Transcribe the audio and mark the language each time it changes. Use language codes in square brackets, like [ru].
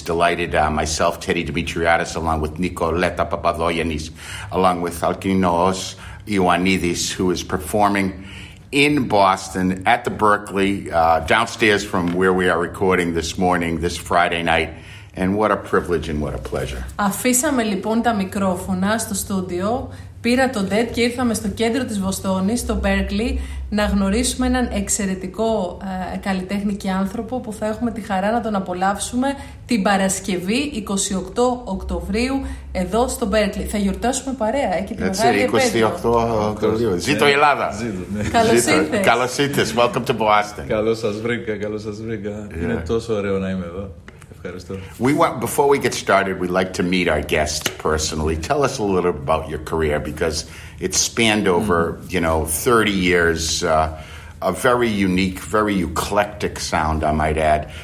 [en] Delighted, myself, Teddy Dimitriadis, along with Nicoleta Papadoyanis, along with Alkinoos Ioannidis, who is performing in Boston at the Berklee, downstairs from where we are recording this morning, this Friday night. And what a privilege and what a pleasure. [el] Αφήσαμε λοιπόν τα μικρόφωνα στο στούντιο, πήρα το DET και ήρθαμε στο κέντρο της Βοστόνης, στο Berklee, να γνωρίσουμε έναν εξαιρετικό καλλιτέχνη και άνθρωπο που θα έχουμε τη χαρά να τον απολαύσουμε την Παρασκευή 28 Οκτωβρίου εδώ στο Berklee. Θα γιορτάσουμε παρέα εκεί την μεγάλη 28 Οκτωβρίου. Ζήτω Ελλάδα. Καλώς ήρθες. [en] Welcome to Boston. [el] Καλώς σας βρήκα. [en] Yeah. [el] Είναι τόσο ωραίο να είμαι εδώ. [en] Before we get started, we'd like to meet our guests personally. Tell us a little about your career, because it spanned over, you know, 30 years, a very unique, very eclectic sound, I might add.